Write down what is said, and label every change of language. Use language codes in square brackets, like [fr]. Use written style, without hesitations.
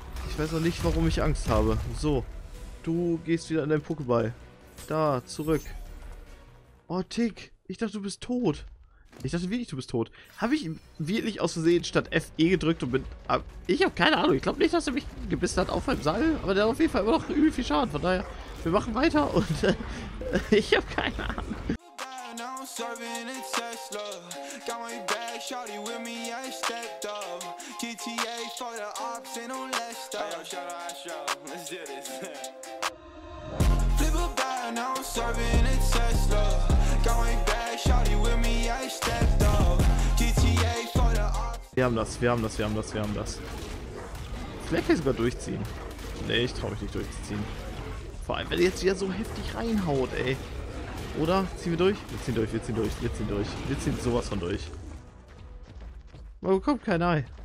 [de] Ich weiß auch nicht, warum ich Angst habe. So. Du gehst wieder an dein Pokéball. Da, zurück. Oh, Tick. Ich dachte, du bist tot. Ich dachte wirklich, du bist tot. Habe ich wirklich aus Versehen statt FE gedrückt und bin... Ich habe keine Ahnung. Ich glaube nicht, dass er mich gebissen hat auf meinem Seil. Aber der hat auf jeden Fall immer noch übel viel Schaden. Von daher, wir machen weiter und ich habe keine Ahnung. [en] Serving a Tesla, got my bag, shawty with me, I stepped up. GTA for the ops, ain't no less stuff. Hey, yo, shout out, let's do this. Flip a bag, now I'm serving a Tesla. Got my bag, shawty with me, I stepped up. GTA for the ops. [de] Wir haben das, wir haben das, wir haben das, wir haben das. Vielleicht kann ich sogar durchziehen. Nee, ich trau mich nicht durchzuziehen. Vor allem, wenn er jetzt wieder so heftig reinhaut, ey. Oder? Ziehen wir durch? Wir ziehen durch, wir ziehen durch, wir ziehen durch. Wir ziehen sowas von durch. Man bekommt kein Ei.